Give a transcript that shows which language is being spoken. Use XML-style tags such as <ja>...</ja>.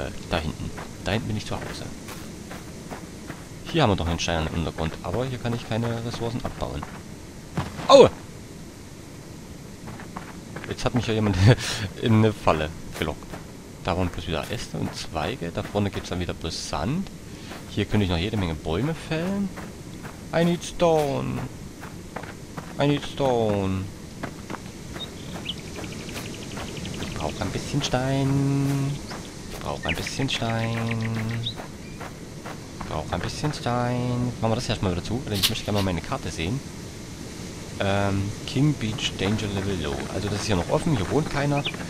<de>Da hinten. Da hinten bin ich zu Hause. Hier haben wir doch einen Stein im Untergrund, aber hier kann ich keine Ressourcen abbauen. Oh! Jetzt hat mich ja jemand in eine Falle gelockt. Da waren bloß wieder Äste und Zweige. Da vorne gibt es dann wieder bloß Sand. Hier könnte ich noch jede Menge Bäume fällen.</de> <en>I need stone. I need stone.</en> <de>Ich brauche ein bisschen Stein. Ich brauche ein bisschen Stein. Brauche ein bisschen Stein. Machen wir das erstmal wieder zu, denn ich möchte gerne mal meine Karte sehen.</de> <en>King Beach Danger Level Low.</en> <de>Also das ist ja noch offen, hier wohnt keiner.</de>